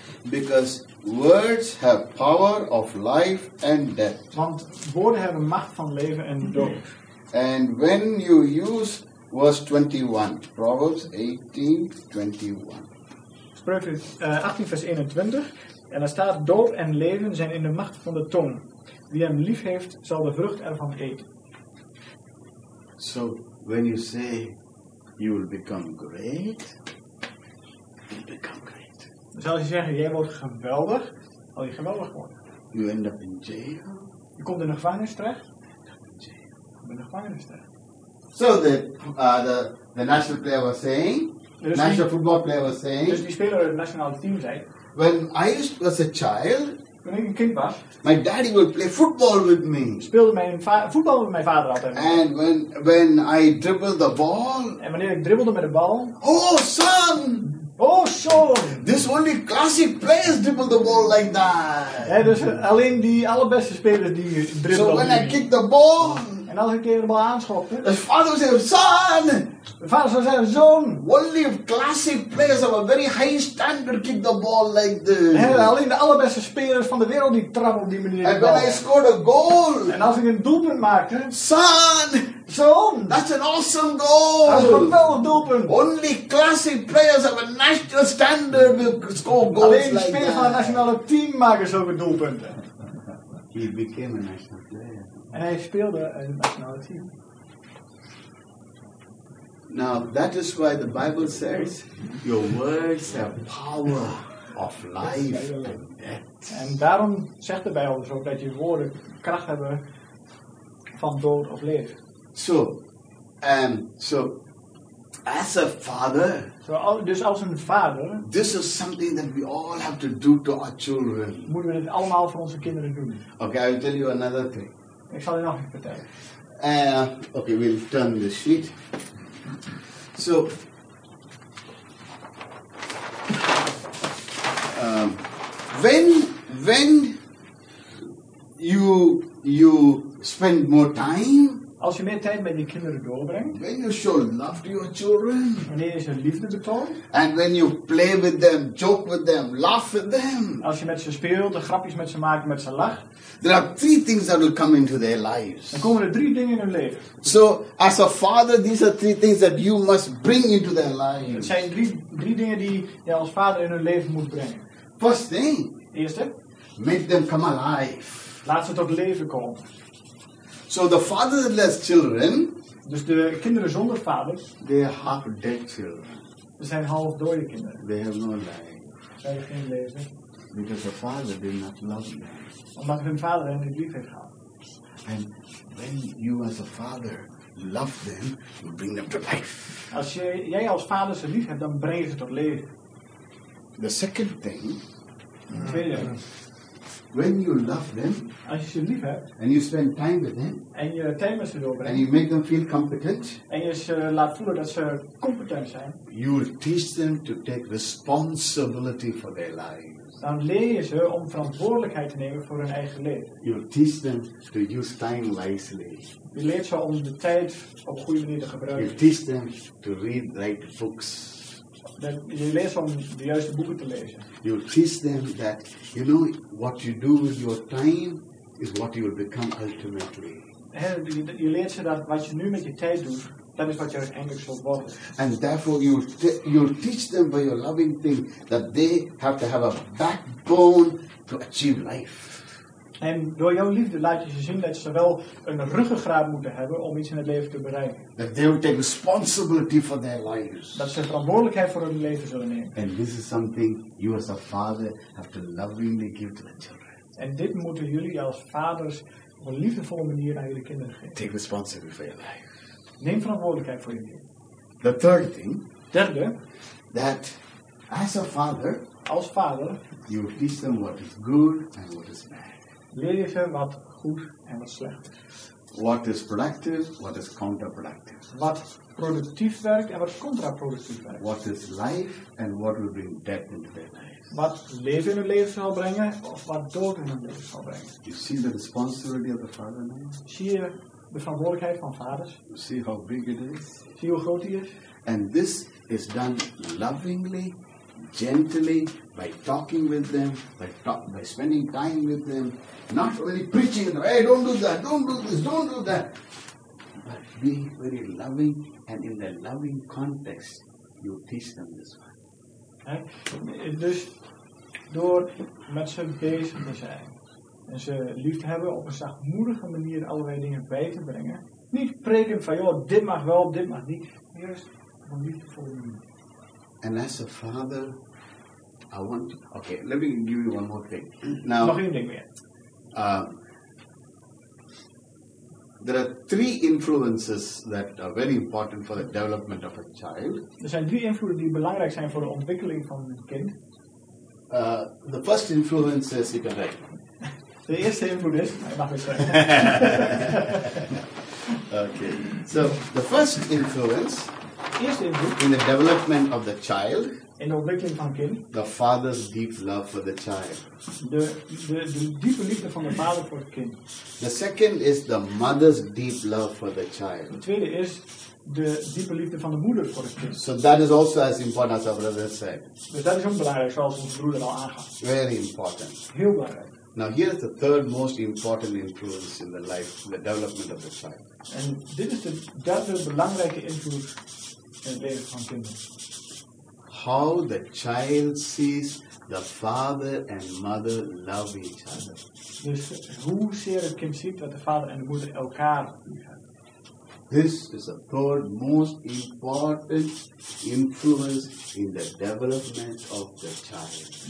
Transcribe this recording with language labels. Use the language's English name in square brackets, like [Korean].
[English] Because words have power of life and death. [Dutch] Want woorden hebben macht van leven en dood. [English] And when you use verse 21, Proverbs 18, 21. [Dutch] Spreuken 18, vers 21. En daar staat, dood en leven zijn in de macht van de tong. Wie hem lief heeft, zal de vrucht ervan eten. [English] So, when you say, you will become great. [Dutch] Dan zou je zeggen, jij wordt geweldig, al je geweldig worden. [English] You end up in jail. [Dutch] Je komt in de gevangenis terecht. Je komt in de gevangenis terecht. [English] So the national player was saying, [Dutch] dus [English] national die, football player was saying. [Dutch] Dus die speler in het nationale team zei. [English] When I was a child. [Dutch] Toen ik een kind was. [English] My daddy would play football with me. [Dutch] Speelde mijn voetbal met mijn vader altijd. [English] And when I dribbled the ball. [Dutch] En wanneer ik dribbelde met de bal. [English] Oh son! Oh son! This only classic players dribble the ball like that. [Dutch] Ja, dus alleen die allerbeste spelers die dribbelen. [English] So when I kicked the ball. [Dutch] En elke keer de bal aanschopte. [English] The father would say, son! [Dutch] Mijn vader zou zeggen, zoon. [English] Only classic players of a very high standard kick the ball like this. [Dutch] En alleen de allerbeste spelers van de wereld die trappen op die manier. [English] And when I scored a goal. [Dutch] En als ik een doelpunt maakte. [English] Son! [Dutch] Zoon! [English] That's an awesome goal! [Dutch] Dat is een geweldig doelpunt. [English] Only classic players of a national standard will score goals. [Dutch] Alleen de spelers [English] like [Dutch] van het nationale team maken zulke doelpunten. [English] He became a national player. [Dutch] En hij speelde een nationale team. [English] Now that is why the Bible says your words have power of life and death. [Dutch] En daarom zegt de Bijbel dus ook dat je woorden kracht hebben van dood of leven. [English] So as a father, [Dutch] dus als een vader, [English] this is something that we all have to do to our children. [Dutch] Moeten we het allemaal voor onze kinderen doen. [English] Okay, I'll tell you another thing. [Dutch] Ik zal je nog iets vertellen. [English] Okay, we'll turn the sheet. So, when you spend more time, [Dutch] als je meer tijd met je kinderen doorbrengt, [English] when you show love to your children, [Dutch] wanneer je ze liefde betoont, [English] and when you play with them, joke with them, laugh with them, [Dutch] als je met ze speelt, de grapjes met ze maakt, met ze lacht, [English] there are three things that will come into their lives. [Dutch] Dan komen er drie dingen in hun leven. [English] So, as a father, these are three things that you must bring into their lives. [Dutch] Het zijn drie dingen die je als vader in hun leven moet brengen. [English] First thing. [Dutch] Eerste. [English] Make them come alive. [Dutch] Laat ze tot leven komen. [English] So the fatherless children. [Dutch] Dus de kinderen zonder vader. [English] They are half dead children. [Dutch] Ze zijn half dode kinderen. [English] They have no life. [Dutch] Ze hebben geen leven. [English] Because the father did not love them. [Dutch] Omdat hun vader hen niet lief heeft gehad. [English] And when you as a father love them, you bring them to life. [Dutch] Als jij als vader ze lief hebt, dan breng je ze tot leven. [English] The second thing. [Dutch] Tweede. [English] When you love them, [Dutch] als je ze lief hebt, [English] and you spend time with them, [Dutch] en je tijd met ze doorbrengt, [English] and you make them feel competent, [Dutch] en je ze laat voelen dat ze competent zijn, [English] you teach them to take responsibility for their lives. [Dutch] Dan leer je ze om verantwoordelijkheid te nemen voor hun eigen leven. [English] You teach them to use time wisely. [Dutch] Je leert ze om de tijd op goede manier te gebruiken. [English] You teach them to read right books. [Dutch] Je leert om de juiste boeken te lezen. [English] You teach them that, you know, what you do with your time is what you will become ultimately. [Dutch] Je leert ze dat wat je nu met je tijd doet, dat is wat je uiteindelijk zult worden. [English] And therefore you teach them by your loving thing that they have to have a backbone to achieve life. [Dutch] En door jouw liefde laat je ze zien dat ze wel een ruggengraat moeten hebben om iets in het leven te bereiken. [English] That they will take responsibility for their lives. [Dutch] Dat ze verantwoordelijkheid voor hun leven zullen nemen. [English] And this is something you as a father have to lovingly give to the children. [Dutch] En dit moeten jullie als vaders op een liefdevolle manier aan jullie kinderen geven. [English] Take responsibility for your life. [Dutch] Neem verantwoordelijkheid voor je leven. [English] The third thing. [Dutch] Derde. [English] That as a father. [Dutch] Als vader. [English] You teach them what is good and what is bad. [Dutch] Leer je ze wat goed en wat slecht is. [English] What is productive, what is counterproductive. [Dutch] Wat productief werkt en wat contraproductief werkt. [English] What is life and what will bring death into their lives. [Dutch] Wat leven in hun leven zal brengen of wat dood in hun leven zal brengen. [English] You see the responsibility of the father now? [Dutch] Zie je de verantwoordelijkheid van vaders? [English] You see how big it is? [Dutch] Zie hoe groot die is? [English] And this is done lovingly, gently, by talking with them, by spending time with them, not only preaching, hey, don't do that, don't do this, don't do that, but be very loving, and in the loving context, you teach them this one. [Dutch] Hey, dus door met ze bezig te zijn, en ze lief te hebben, op een zachtmoedige manier allerlei dingen bij te brengen, niet preken van, joh, dit mag wel, dit mag niet, eerst om liefde voor je. [English] And as a father, I want to, okay, let me give you one more thing. [Dutch] Now, nog één ding meer. [English] There are three influences that are very important for the development of a child. [Dutch] Er zijn drie invloeden die belangrijk zijn voor de ontwikkeling van een kind. [English] The first influence is, you can write. [Dutch] De eerste invloed is, mag ik zeggen. [English] Okay, so the first influence, [Dutch] eerste invloed, [English] in the development of the child, [Dutch] in de ontwikkeling van kind, [English] the father's deep love for the child. [Dutch] De diepe liefde van de vader voor het kind. [English] The second is the mother's deep love for the child. [Dutch] De tweede is de diepe liefde van de moeder voor het kind. [English] So that is also as important as our brother said. [Dutch] Dus dat is ook belangrijk, zoals onze broeder al aangaf. [English] Very important. [Dutch] Heel belangrijk. [English] Now here is the third most important influence in the life, in the development of the child. [Dutch] En dit is de derde belangrijke invloed in het leven van kinderen. [English] How the child sees the father and mother love each other. [Dutch] Dus hoe zeer het kind ziet dat de vader en de moeder elkaar liefhebben. [English] This is the third most important influence in the development of the child.